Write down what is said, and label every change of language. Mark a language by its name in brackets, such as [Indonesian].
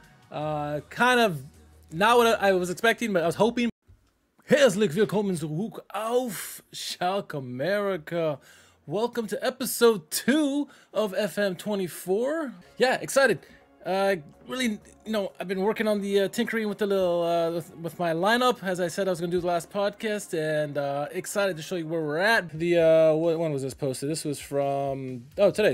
[English] Kind of not what I was expecting, but I was hoping. [German] Herzlich willkommen zurück auf Schalke America. [English] Welcome to episode 2 of FM24. Yeah, excited. I've been working on the tinkering with the little with my lineup, as I said I was gonna do the last podcast, and excited to show you where we're at. The when was this posted? This was from today.